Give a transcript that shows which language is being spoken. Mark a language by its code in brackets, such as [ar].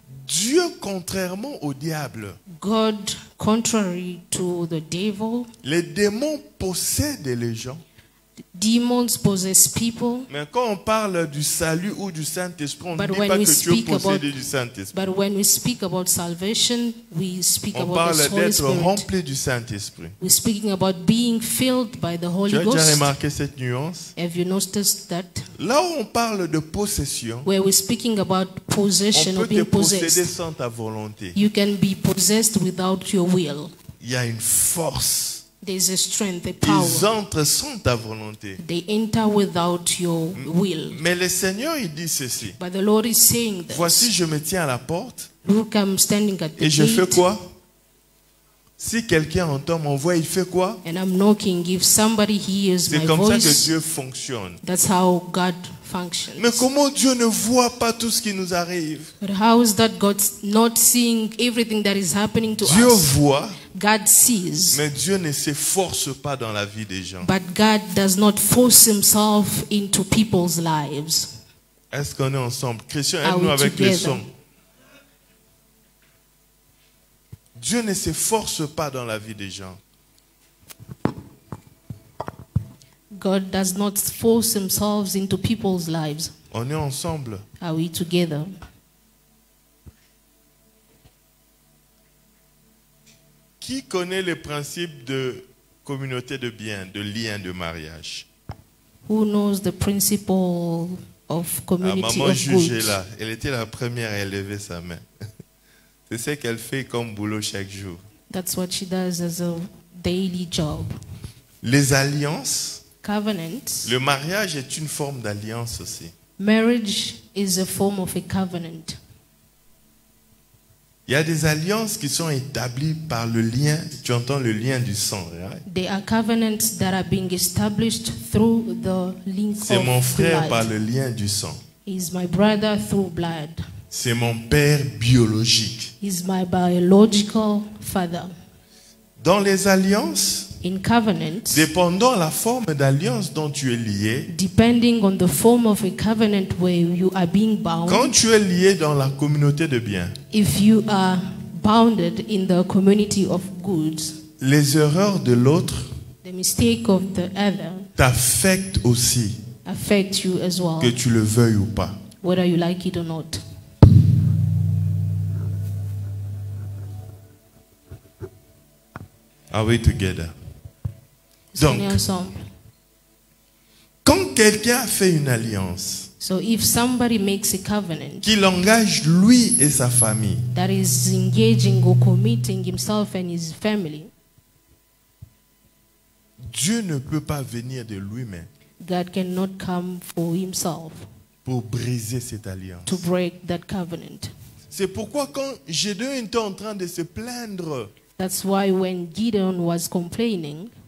[fr] Dieu, contrairement au diable, [en] God, contrary to the devil, [fr] les démons possèdent les gens. [en] Demons possess people. [fr] Mais quand on parle du salut ou du Saint-Esprit, on ne dit pas que Dieu possède du Saint-Esprit. [en] But when we speak about salvation, we speak [fr] on [en] about [fr] parle [en] the Holy [fr] d'être rempli du Saint-Esprit. [en] We're speaking about being filled by the Holy Ghost. [fr] Tu as déjà remarqué cette nuance? [en] Have you noticed that? [fr] Là où on parle de possession, [en] where we're speaking about possession [fr] on peut [en] or being [fr] te posséder [en] possessed, [fr] sans ta volonté. [en] You can be possessed without your will. [fr] Il y a une force. [en] There's a strength, a power. [fr] Ils entrent sans ta volonté. [en] They enter without your will. [fr] Mais le Seigneur il dit ceci. [en] But the Lord is saying this. [fr] Voici, je me tiens à la porte. [en] Look, I'm standing at the gate. [fr] Et je fais quoi? Si quelqu'un entend mon voix, il fait quoi? [en] And I'm knocking. If somebody hears [fr] C'est [en] my [fr] comme [en] voice, [fr] ça que Dieu fonctionne. [en] That's how God functions. [fr] Mais comment Dieu ne voit pas tout ce qui nous arrive? [en] But how is that God not seeing everything that is happening to [fr] Dieu [en] us? [fr] Dieu voit. [en] God sees. [fr] Mais Dieu ne s'efforce pas dans la vie des gens. [en] But God does not force himself into people's lives. [fr] Est-ce qu'on est ensemble? Christian, aide-nous avec [en] together? [fr] Les sons. Dieu ne s'efforce pas dans la vie des gens. [en] God does not force himself into people's lives. [fr] On est ensemble. [en] Are we together? [fr] Qui connaît les principes de communauté de bien, de lien de mariage? [en] Who knows the principle of community of good? [fr] Ah, maman jugeait là. Elle était la première à élever sa main. C'est ce qu'elle fait comme boulot chaque jour. [en] That's what she does as a daily job. [fr] Les alliances. [en] Covenants. [fr] Le mariage est une forme d'alliance aussi. [en] Marriage is a form of a covenant. [fr] Il y a des alliances qui sont établies par le lien, tu entends le lien du sang, right? [en] There are covenants that are being established through the link [fr] C'est [en] of [fr] mon frère [en] blood. [fr] Par le lien du sang. [en] He's my brother through blood. [fr] C'est mon père biologique. [en] He's my biological father. [fr] Dans les alliances, [en] In covenants, [fr] dépendant la forme d'alliance dont tu es lié, [en] depending on the form of a covenant where you are being bound, [fr] quand tu es lié dans la communauté de bien, [en] if you are bounded in the community of goods, [fr] les erreurs de l'autre, [en] the mistake of the other, [fr] t'affectent aussi, [en] affect you as well, [fr] que tu le veuilles ou pas, [en] whether you like it or not. Are we together? [fr] Donc, quand quelqu'un a fait une alliance, [en] so if somebody makes a covenant, [fr] qu'il engage lui et sa famille, [en] that is engaging or committing himself and his family, [fr] Dieu ne peut pas venir de lui-même. [en] God cannot come for himself. [fr] Pour briser cette alliance. [en] To break that covenant. [fr] C'est pourquoi quand Gédéon était en train de se plaindre. [en] That's why when Gideon was complaining.